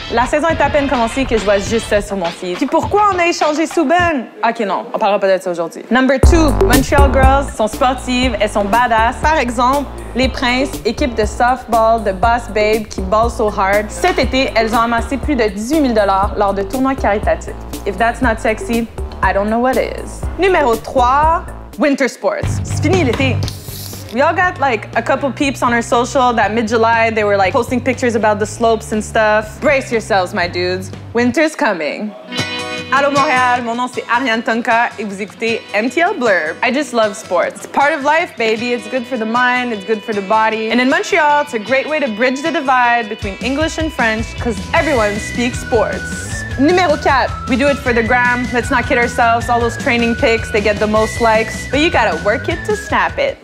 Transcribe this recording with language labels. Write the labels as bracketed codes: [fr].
[fr] La saison est à peine commencée que je vois juste ça sur mon feed. Puis pourquoi on a échangé Souben? OK, non, on parlera pas de ça aujourd'hui. [en] Number two, Montreal girls [fr] sont sportives, elles sont badass. Par exemple, les Princes, équipe de softball, de [en] boss babe [fr] qui [en] ball so hard. [fr] Cet été, elles ont amassé plus de 18 000 $ lors de tournois caritatifs. [en] If that's not sexy, I don't know what is. [fr] Numéro trois, [en] winter sports. [fr] C'est fini l'été. [en] We all got like a couple peeps on our social that mid-July they were like posting pictures about the slopes and stuff. Brace yourselves, my dudes. Winter's coming. [fr] Allô Montréal, mon nom c'est Ariane Tonka et vous écoutez MTL Blurb. [en] I just love sports. It's part of life, baby. It's good for the mind, it's good for the body. And in Montreal, it's a great way to bridge the divide between English and French because everyone speaks sports. [fr] Numéro 4, [en] we do it for the gram. Let's not kid ourselves. All those training pics, they get the most likes. But you gotta work it to snap it.